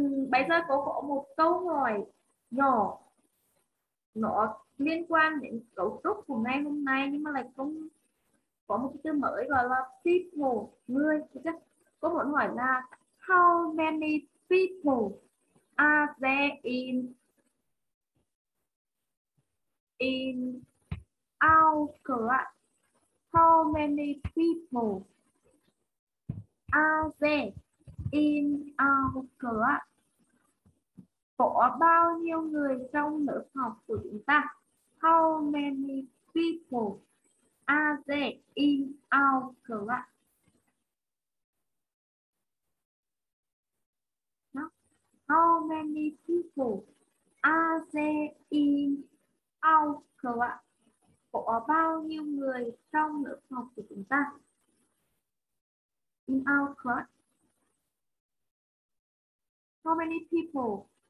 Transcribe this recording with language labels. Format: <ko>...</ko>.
<vi>Bây giờ cô có một câu hỏi nhỏ. Nó liên quan đến cấu trúc của ngày hôm nay, nhưng mà lại không có một cái từ mới gọi là people, người. Cô muốn hỏi là</vi> <en>how many people are there in our class? How many people are there in our class?</en> <vi>Có bao nhiêu người trong lớp học của chúng ta?</vi> <en>How many people are there in our class? How many people are there in our class?</en> <vi>Có bao nhiêu người trong lớp học của chúng ta?</vi> <en>In our class. How many people?</en>